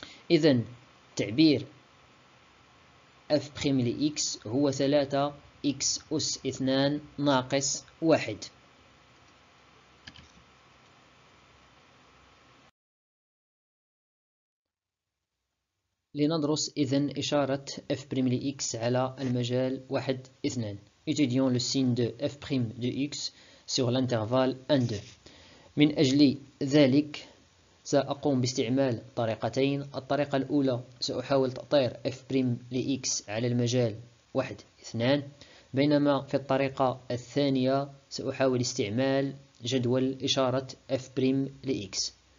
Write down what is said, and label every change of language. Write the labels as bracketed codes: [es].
[ar] إذن تعبير f' لx هو 3x أس 2 ناقص 1. لندرس إذن إشارة f' لx على المجال 1 2. [fr] Étudions le signe de f' de x sur l'intervalle 1 2. [ar] من أجل ذلك سأقوم باستعمال طريقتين. الطريقة الأولى سأحاول تأطير f' لx على المجال 1 2، بينما في الطريقة الثانية سأحاول استعمال جدول إشارة f' لx.